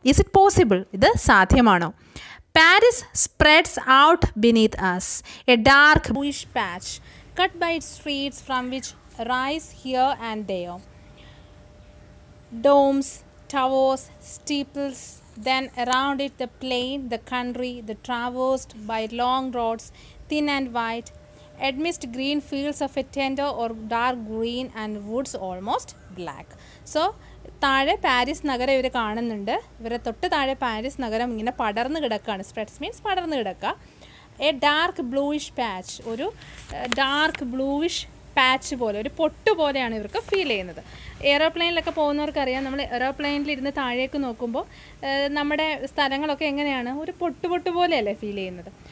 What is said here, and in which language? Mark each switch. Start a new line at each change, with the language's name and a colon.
English: is it possible,
Malayalam: ഇത് സാധ്യമാണോ?
English: Paris spreads out beneath us a dark bluish patch cut by it streets from which rise here and there domes towers steeples. Then around it the plain, the country, the traversed by long roads, thin and white, amidst green fields of a tender or dark green and woods almost black.
Malayalam: So, താഴെ Paris നഗരം ഇവർ കാണുന്നുണ്ട്. ഇവരെ തൊട്ട് താഴെ Paris നഗരം ഇങ്ങനെ പടർന്നു കിടക്കുകയാണ്. സ്പ്രെഡ്സ് മീൻസ് പടർന്നു കിടക്കുക.
English: a dark bluish patch,
Malayalam: ഒരു ഡാർക്ക് ബ്ലൂയിഷ് പാച്ച് പോലെ, ഒരു പൊട്ടുപോലെയാണ് ഇവർക്ക് ഫീൽ ചെയ്യുന്നത്. എയ്റോപ്ലെയിനിലൊക്കെ പോകുന്നവർക്കറിയാം, നമ്മൾ എയ്റോപ്ലെയിനിലിരുന്ന് താഴേക്ക് നോക്കുമ്പോൾ നമ്മുടെ സ്ഥലങ്ങളൊക്കെ എങ്ങനെയാണ്, ഒരു പൊട്ടു പൊട്ടുപോലെയല്ലേ ഫീൽ ചെയ്യുന്നത്.